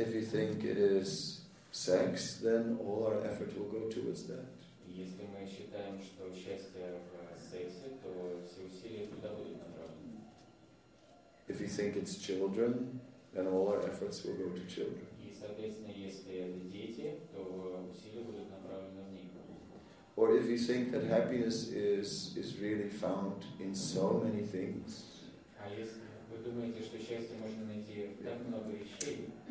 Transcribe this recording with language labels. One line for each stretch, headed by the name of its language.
English: If you think it is sex, then all our effort will go towards that.
Russian: Если мы считаем, что счастье в сексе, то все усилия туда будут направлены.
English: If you think it's children, then all our efforts will go to children.
Russian: Соответственно, если это дети, то усилия будут направлены в них.
English: Or if you think that happiness is really found in so many things.
Russian: А если вы думаете, что счастье можно найти в так много вещей?